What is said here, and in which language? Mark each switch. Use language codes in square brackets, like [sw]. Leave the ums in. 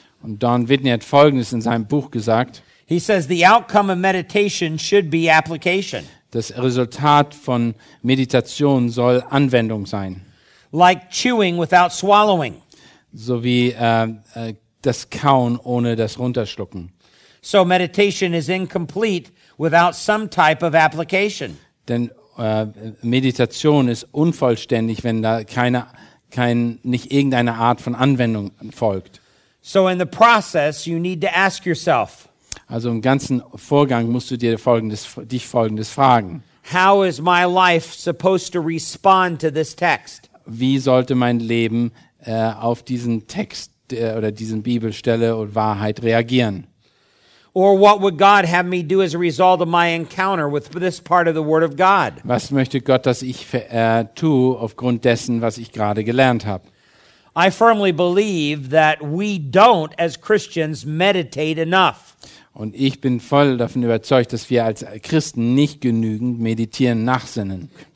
[de] Und Don Whitney hat Folgendes in seinem Buch gesagt. [en] He says the outcome of meditation should be application. [de] Das Resultat von Meditation soll Anwendung sein. [en] Like chewing without swallowing. [de] So wie äh, das Kauen ohne das Runterschlucken. [en] So meditation is incomplete without some type of application. [de] Denn äh, Meditation ist unvollständig, wenn da keine, kein, nicht irgendeine Art von Anwendung folgt. [en] So in the process you need to ask yourself. [de] Also im ganzen Vorgang musst du dir folgendes dich folgendes fragen. [en] How is my life supposed to respond to this text? [de] Wie sollte mein Leben äh, auf diesen Text äh, oder diesen Bibelstelle und Wahrheit reagieren? [en] Or what would God have me do as a result of my encounter with this part of the word of God? [de] Was möchte Gott, dass ich äh, tue aufgrund dessen, was ich gerade gelernt habe? [en] I firmly believe that we don't as Christians meditate enough. [de] Und ich bin voll davon überzeugt, dass wir als Christen nicht genügend meditieren, nachsinnen.